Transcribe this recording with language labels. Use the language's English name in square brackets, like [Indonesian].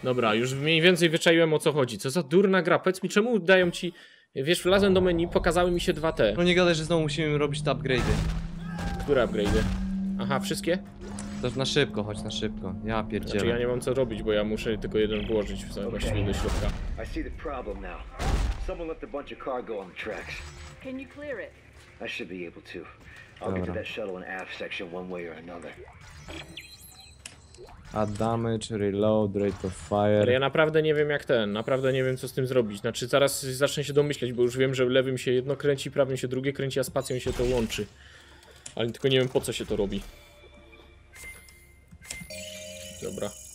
[Polish] Dobra, już mniej więcej wyczaiłem o co chodzi. Co za durna gra, powiedz mi czemu dają ci... Wiesz, wlazłem do menu, pokazały mi się 2T. No nie gadaj, że znowu musimy robić te upgrade'y. Które upgrade'y? Aha, wszystkie? To na szybko, chodź na szybko. Ja pierdzielę. Znaczy ja nie mam co robić, bo ja muszę tylko jeden włożyć w sobie, właściwie do środka. [English] I see the problem now. Someone left a bunch of cargo on the tracks. Can you clear it? I should be able to. I'll get to that shuttle in aft section one way or another. Add damage, reload, rate of fire. [Polish] Ale ja naprawdę nie wiem jak ten, naprawdę nie wiem co z tym zrobić. Znaczy zaraz zacznę się domyśleć, bo już wiem, że lewym się jedno kręci, prawym się drugie kręci, a spacją się to łączy. Ale tylko nie wiem po co się to robi. Dobra.